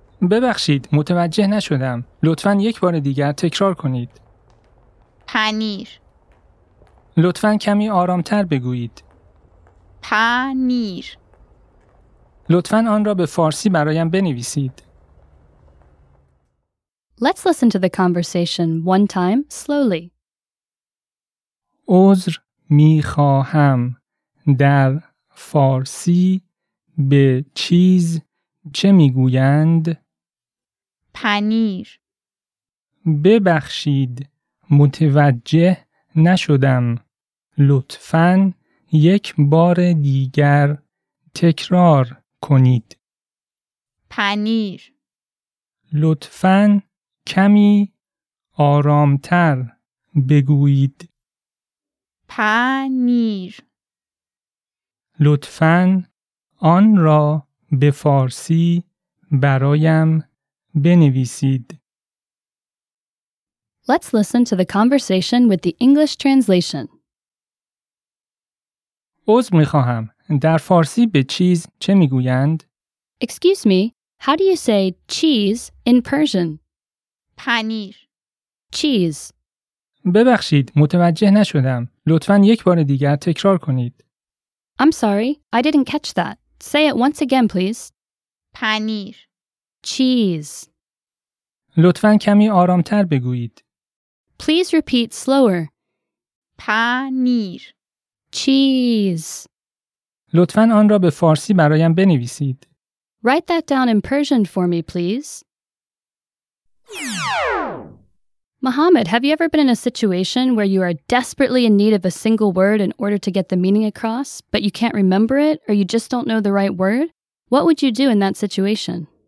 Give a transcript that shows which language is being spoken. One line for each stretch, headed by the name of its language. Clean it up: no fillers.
Persian: ببخشید، متوجه نشدم. لطفاً یک بار دیگر تکرار کنید. پنیر. لطفاً کمی آرام‌تر بگویید. پنیر. لطفاً آن را به فارسی برایم بنویسید.
English: Let's listen to the conversation one time slowly.
Persian: عذر می‌خواهم. در فارسی به چیز چه میگویند؟ پنیر. ببخشید، متوجه نشدم. لطفاً یک بار دیگر تکرار کنید. پنیر. لطفاً کمی آرامتر بگویید. پنیر. لطفاً آن را به فارسی برایم بنویسید.
English: Let's listen to the conversation with the English translation.
Persian: عذر می‌خواهم. در فارسی به چیز چه می‌گویند؟
English: Excuse me, how do you say cheese in Persian?
Persian: پنیر.
English: Cheese.
Persian: ببخشید، متوجه نشدم. لطفاً یک بار دیگر تکرار کنید.
English: I'm sorry, I didn't catch that. Say it once again, please.
Persian: پنیر.
English: Cheese.
Persian: لطفاً کمی آرام‌تر بگویید.
English: Please repeat slower.
Persian: پنیر.
English: Cheese.
Persian: لطفاً آن را به فارسی برایم بنویسید.
English: Write that down in Persian for me, please. Muhammad, have you ever been in a situation where you are desperately in need of a single word in order to get the meaning across, but you can't remember it or you just don't know the right word? What would you do in that situation?